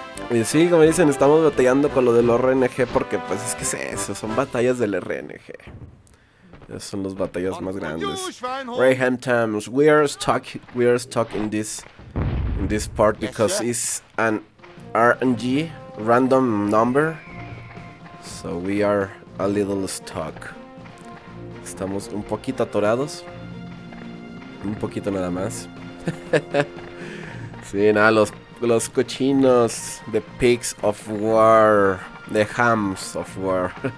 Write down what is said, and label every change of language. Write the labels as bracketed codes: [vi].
[es] Y sí, como dicen, estamos batallando con lo del RNG porque pues es que es eso, son batallas del RNG. Esas son las batallas más grandes. [en] Graham Tams, we are stuck in this. In this part, because yes, it's an RNG, random number, so we are a little stuck. [es] Estamos un poquito atorados, un poquito nada más. Sí, nada, los cochinos, [en] the pigs of war, the hams of war.